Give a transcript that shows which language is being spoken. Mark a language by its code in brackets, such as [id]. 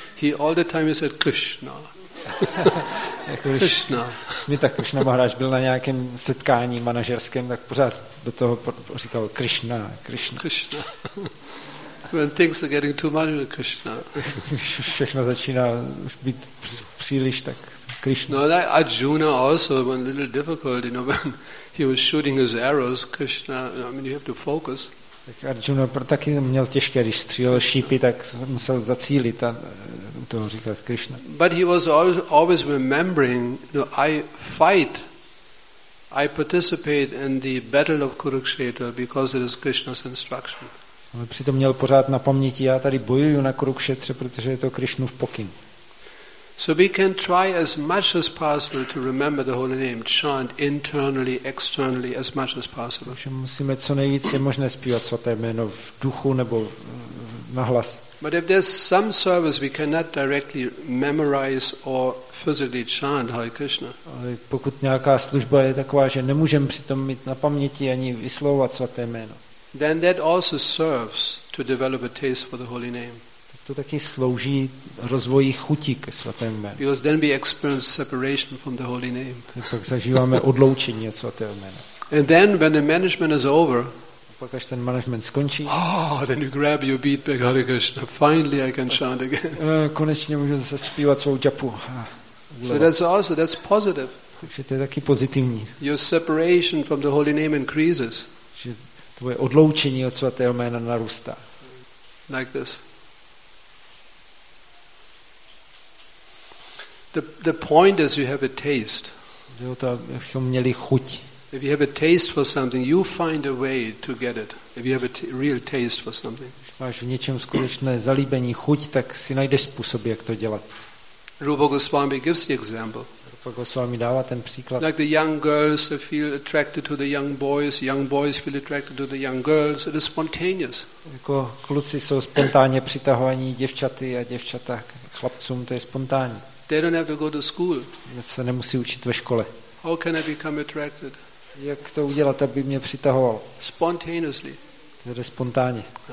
[en] He all the time he said Krishna. Krishna. [cs] Smita Krishna Maharaj byl na nějakém setkání manažerském, tak pořád do toho říkal Krishna, Krishna. [en] Krishna. When things are getting too much, Krishna. [cs] Když všechno začíná už být příliš, tak Krishna. [en] No, like Arjuna also a little difficult, you know, when he was shooting his arrows, Krishna, I mean, you have to focus. [cs] Tak Arjuna taky měl těžké, když střílel šípy, tak musel zacílit a toho říkat Krishna. [en] But he was always remembering, you know, I fight, I participate in the battle of Kurukshetra because it is Krishna's instruction. [cs] Ale přitom měl pořád na paměti, já tady bojuju na Kurukšetře, protože je to Krišnův pokyn. [en] So we can try as much as possible to remember the holy name, chant internally, externally, as much as possible. [cs] Takže musíme co nejvíce možné zpívat svaté jméno v duchu nebo na hlas. [en] But if there's some service we cannot directly memorize or physically chant Hare Krishna. [cs] Ale pokud nějaká služba je taková, že nemůžeme přitom mít na paměti ani vyslovovat svaté jméno. [en] then that also serves to develop a taste for the holy name. [cs] To taky slouží rozvoji chuti ke svatému jménu. [en] Because then we experience separation from the holy name. [cs] Pak zažíváme odloučení od svatého jména. [en] And then when the management is over, [cs] pak až ten management skončí, [en] oh, then you grab your beat back, Hare Krishna, finally I can chant again. [cs] Konečně můžu zase zpívat svou japu. [en] So that's also, that's positive. [cs] Takže to je taky pozitivní. [en] Your separation from the holy name increases. [cs] Že tvoje odloučení od svatého jména narůstá. [en] Like this. The point is you have a taste. [cs] Jo, to abychom měli chuť. [en] If you have a taste for something, you find a way to get it. If you have a real taste for something. [cs] Když máš v něčem skutečné zalíbení, chuť, tak si najdeš způsob, jak to dělat. [en] Rupa Goswami gives the example. [cs] Rupa Goswami dává ten příklad. [en] Like the young girls feel attracted to the young boys feel attracted to the young girls. It is spontaneous. [cs] Jako kluci jsou spontánně přitahovaní děvčaty a děvčata k chlapcům, to je spontánní. [en] They don't have to go to school. [cs] Se nemusí učit ve škole. [en] How can I become attracted? [cs] Jak to udělat, aby mě přitahoval? [en] Spontaneously. [cs] Tedy spontánně.